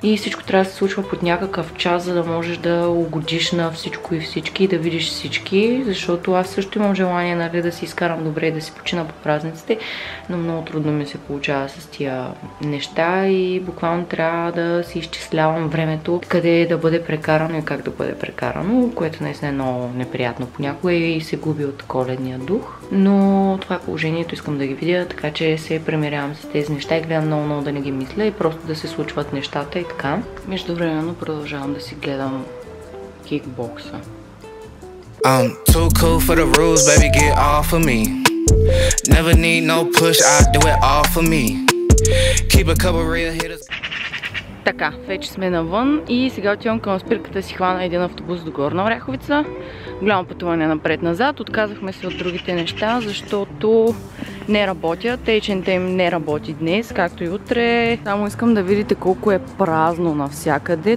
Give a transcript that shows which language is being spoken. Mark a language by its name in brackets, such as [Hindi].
[Bulgarian] И всичко трябва да се случва под някакъв час, за да можеш да угодиш на всичко и всички и да видиш всички, защото аз също имам желание, нали, да си изкарам добре и да си почина по празниците, но много трудно ми се получава с тия неща и буквално трябва да си изчислявам времето, къде да бъде прекарано и как да бъде прекарано, което наистина е много неприятно понякога и се губи от коледния дух. Но това е положението, искам да ги видя, така че се примирявам с тези неща и гледам много-много да не ги мисля и просто да се случват нещата и така. Междувременно продължавам да си гледам кикбокса. [English] I'm too cool for the rules, baby, get off of me. Never need no push, I do it all for me. Keep a couple real hitters. [Bulgarian] Така, вече сме навън и сега отивам към спирката си хвана един автобус до Горна Оряховица. Голямо пътуване напред-назад. Отказахме се от другите неща, защото не работят. H&M им не работи днес, както и утре. Само искам да видите колко е празно навсякъде.